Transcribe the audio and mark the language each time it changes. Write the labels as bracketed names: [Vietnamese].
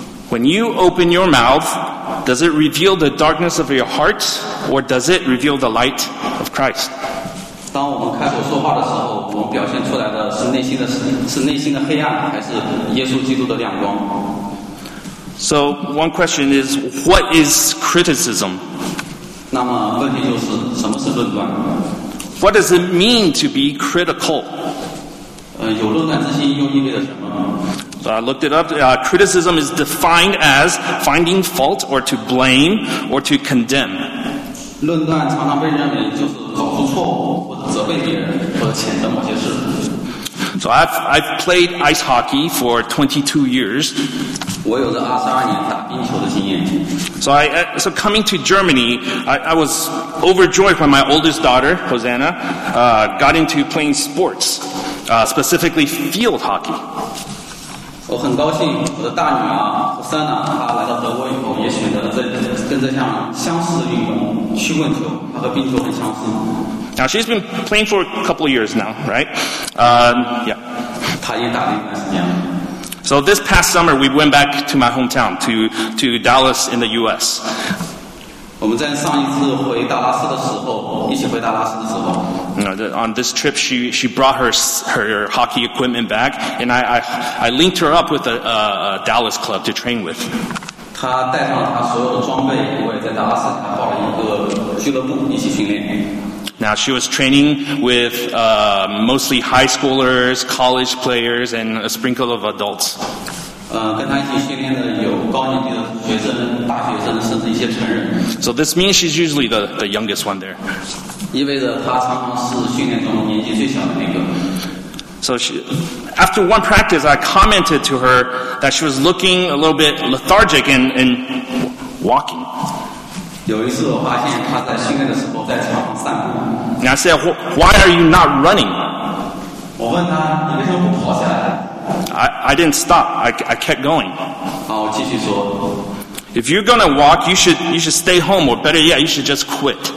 [English] When you open your mouth, does it reveal the darkness of your heart, or does it reveal the light of Christ? [Chinese] 当我们开口说话的时候，我们表现出来的是内心的黑暗，还是耶稣基督的亮光？ [English] So one question is, what is criticism? [Chinese] 那么问题就是什么是论断？ [English] What does it mean to be critical? [Chinese] 有论断之心又意味着什么？ [English] So I looked it up. Criticism is defined as finding fault or to blame or to condemn. [Chinese] 论断常常被认为就是找出错误或者责备别人或者谴责某些事。 [English] So I've played ice hockey for 22 years. [Chinese] 我有着22年打冰球的经验。 [English] So coming to Germany, I was overjoyed when my oldest daughter, Hosanna, got into playing sports, specifically field hockey. [Chinese] 我很高兴我的大女儿和三娜她来到德国以后也选择了跟这项相似的运动曲棍球她和冰球很相似 [English] Now she's been playing for a couple of years now, right? Yeah. [Chinese] 她已经打了一段时间了 [English] So this past summer we went back to my hometown to Dallas in the US [Chinese] 我们在上一次回达拉斯的时候一起回达拉斯的时候 [English] On this trip, she brought her hockey equipment back, and I linked her up with a Dallas club to train with. [Chinese] 她带上了她所有的装备，我也在达拉斯，她报了一个俱乐部一起训练。 [English] Now she was training with mostly high schoolers, college players, and a sprinkle of adults. [Chinese] 跟她一起训练的有高年级的学生、大学生，甚至一些成人。 [English] So this means she's usually the youngest one there. [Chinese] 意味着她常常是训练中年纪最小的那个。 [English] So she, after one practice, I commented to her that she was looking a little bit lethargic and walking. [Chinese] 有一次我发现她在训练的时候在操场散步。 [English] I said, why are you not running? [Chinese] 我问她，你为什么不跑下来？ [English] I didn't stop. I kept going. [Chinese] 好，我继续说。 [English] If you're gonna walk, you should stay home, or better yet, you should just quit.